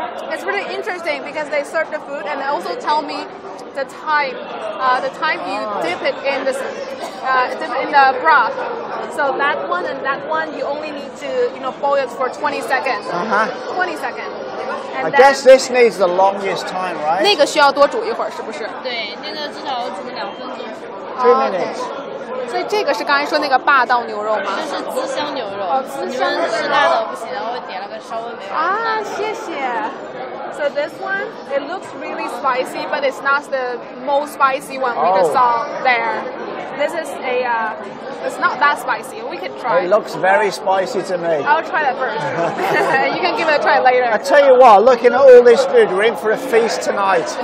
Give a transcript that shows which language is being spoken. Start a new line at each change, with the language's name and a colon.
English: It's really interesting because they serve the food and they also tell me the time you dip it in the broth. So that one and that one, you only need to, you know, boil it for 20 seconds. Uh-huh. 20 seconds. And I guess this needs the longest time, right?
Chinese: 那个需要多煮一会儿，是不是？对，那个至少要煮2分钟。
English: 2 minutes.
Chinese: 所以这个是刚才说那个霸道牛肉吗？这是滋香牛肉。哦，滋香牛肉。吃辣的不行，我点了个稍微没有。啊，谢谢。
English: So this one, it looks really spicy, but it's not the most spicy one we just saw there. This is a, it's not that spicy. We can try. It looks very spicy to me. I'll try that first. You can give it a try later. I tell you what, looking at all this food, we're in for a feast tonight.